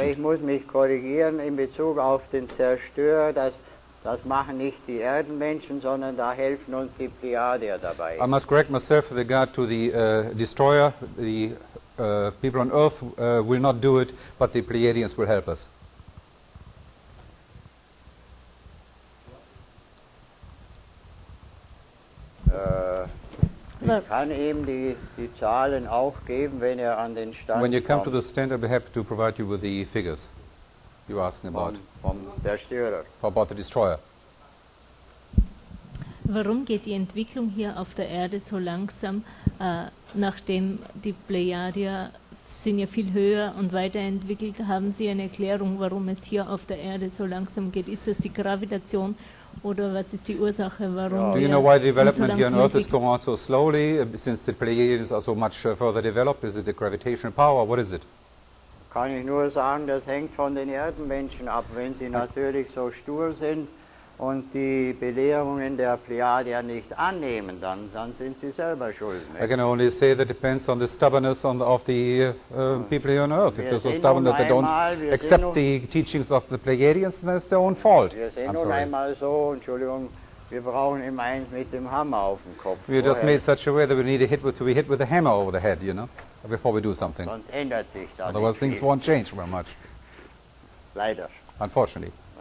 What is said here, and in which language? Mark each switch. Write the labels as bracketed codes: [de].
[de] Aber ich muss mich korrigieren in Bezug auf den Zerstörer. Das machen nicht die Erdenmenschen, sondern da helfen uns die Pleiadier dabei. [en] I must correct myself with regard to the destroyer. The people on Earth will not do it, but the Pleiadians will help us. [de] Ich kann ihm die Zahlen auch geben, wenn er an den Stand kommt. [en] When you come [de] kommt. [en] To the stand, I'll be happy to provide you with the figures you're asking about. [de] Vom Zerstörer. [en] For about the destroyer. [de] Warum geht die Entwicklung hier auf der Erde so langsam, nachdem die Plejadier sind ja viel höher und weiterentwickelt? Haben Sie eine Erklärung, warum es hier auf der Erde so langsam geht? Ist das die Gravitation? Oder was ist die Ursache, warum [en] Do you know why development here on Earth is going on so slowly, since the Pleiadians are so much further developed? Is it the gravitational power? What is it? [de] Kann ich nur sagen, das hängt von den Erdenmenschen ab. Wenn sie natürlich so stur sind, und die Belehrungen der Plejadier nicht annehmen, dann sind sie selber schuld. [en] I can only say that depends on the stubbornness of the people here on Earth. [de] Wir [en] if they're so stubborn that they don't accept the teachings of the Plejadians, then it's their own fault. [de] Wir sind nun einmal so, Entschuldigung, wir brauchen immer eins mit dem Hammer auf dem Kopf. [en] We're just made such a way that we need to be hit with a hammer over the head, you know, before we do something. [de] Sonst ändert sich das. [en] Otherwise things won't change very much. [de] Leider. [en] Unfortunately.